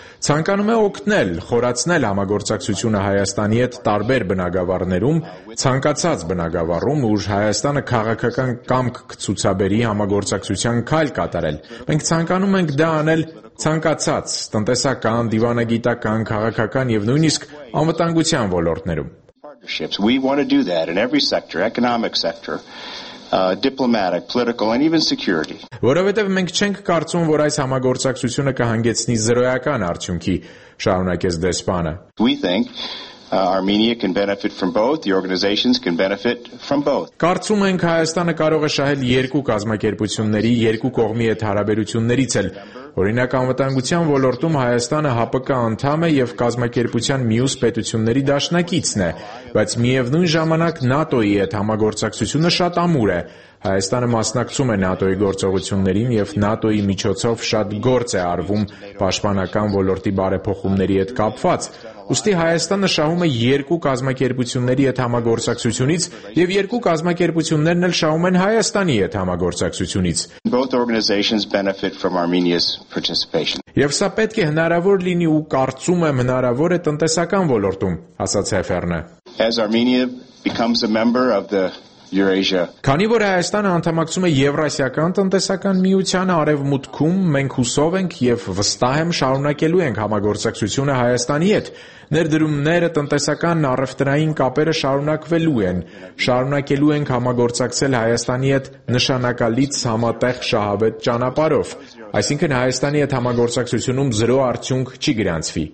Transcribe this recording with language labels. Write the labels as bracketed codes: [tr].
[hy] ցանկանում է օգնել, խորացնել համագործակցությունը Հայաստանի հետ տարբեր բնագավառներում, ցանկացած բնագավառում, ուր Հայաստանը քաղաքական կամք ցուցաբերի համագործակցության քայլ կատարել։ Մենք ցանկանում ենք դա անել ցանկացած տնտեսական, դիվանագիտական, քաղաքական և նույնիսկ անվտանգության ոլորտներում։ Ships. [en] We want to do that in every sector, economic sector, diplomatic, political, and even security. [hy] Որովհետև մենք չենք կարծում, որ այս համագործակցությունը կհանգեցնի զրոյական արդյունքի, շարունակեց դեսպանը. [en] We think Armenia can benefit from both, the organizations can benefit from both. [hy] Կարծում ենք Հայաստանը կարող է շահել երկու կազմակերպությունների, երկու կողմի հետ հարաբերություններից էլ։ Օրինակ, անվտանգության ոլորտում Հայաստանը ՀԱՊԿ անդամ է և կազմակերպության մյուս պետությունների դաշնակիցն է, բայց միևնույն ժամանակ ՆԱՏՕ-ի հետ համագործակցությունը շատ ամուր է։ Հայաստանը մասնակցում է ՆԱՏՕ-ի գործողություններին և ՆԱՏՕ-ի միջոցով շատ գործ է արվում պաշտպանական ոլորտի բարեփոխումների հետ կապված։ Ուստի Հայաստանը շահում է երկու կազմակերպությունների հետ համագործակցությունից, և երկու կազմակերպություններն էլ շահում են Հայաստանի հետ համագործակցությունից։ [en] Both organizations benefit from Armenia's participation. [hy] Եվ սա պետք է հնարավոր լինի ու կարծում եմ հնարավոր է տնտեսական ոլորտում, ասաց Հեֆերնը. [en] As Armenia becomes a member of the Eurasia. [hy] Քանի որ Հայաստանը անդամակցում է Եվրասիական տնտեսական միության արևմուտքում, մենք հուսով ենք և վստահ եմ շարունակելու ենք համագործակցությունը Հայաստանի հետ։ Ներդրումները տնտեսական առևտրային կապերը շարունակվելու են։ Շարունակելու ենք համագործակցել Հայաստանի հետ նշանակալից համատեղ շահավետ ճանապարհով։ Այսինքն Հայաստանի հետ համագործակցությունում զրո արդյունք չի գրանցվի։